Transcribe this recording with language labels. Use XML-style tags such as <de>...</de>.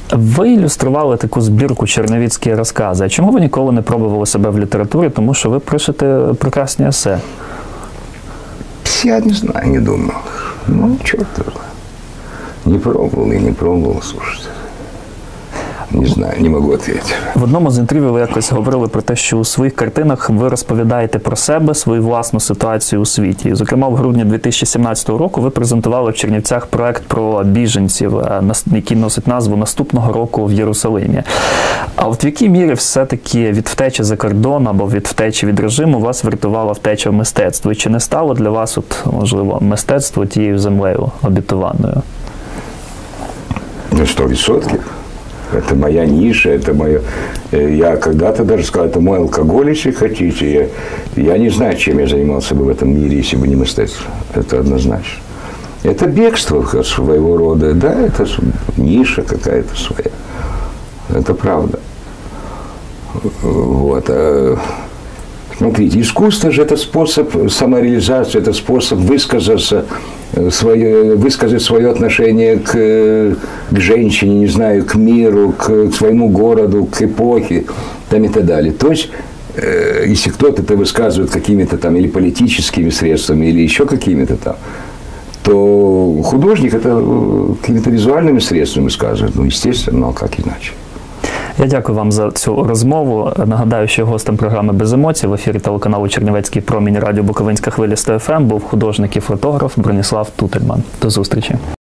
<ru>Вы иллюстрировали такую сбірку «Черновицкі рассказы». А чому вы никогда не пробовали себя в литературе? Тому что вы пишете прекрасные эссе. Я не знаю, не думал. Ну, черт возьми. Не пробовал и не пробовал, слушайте. Не знаю, не могу ответить.</ru> <uk>В одному з інтерв'ю ви якось говорили про те, що у своїх картинах ви розповідаєте про себе, свою власну ситуацію у світі. Зокрема, в грудні 2017 року ви презентували в Чернівцях проект про біженців, який носить назву «Наступного року в Єрусалимі». А от в якій мірі все-таки від втечі за кордон або від втечі від режиму вас врятувала втеча в мистецтво? І чи не стало для вас, от, можливо, мистецтво тією землею обітованою?</uk> <ru>Ну, 100%. Это моя ниша, это мое... Я когда-то даже сказал, это мой алкоголь, если хотите. Я не знаю, чем я занимался бы в этом мире, если бы не мистецтво. Это однозначно. Это бегство своего рода, да, это ниша какая-то своя. Это правда. Вот. Смотрите, искусство же это способ самореализации, это способ высказаться... высказать свое отношение к женщине, не знаю, к миру, к своему городу, к эпохе, там и так далее. То есть, если кто-то это высказывает какими-то там или политическими средствами, или еще какими-то там, то художник это какими-то визуальными средствами высказывает, ну, естественно, но как иначе.</ru> <uk>Я дякую вам за цю розмову. Нагадаю, що гостем програми «Без емоцій» в ефірі телеканалу «Чернівецький промінь» радіо «Буковинська хвиля 100 FM» був художник і фотограф Броніслав Тутельман. До зустрічі.</uk>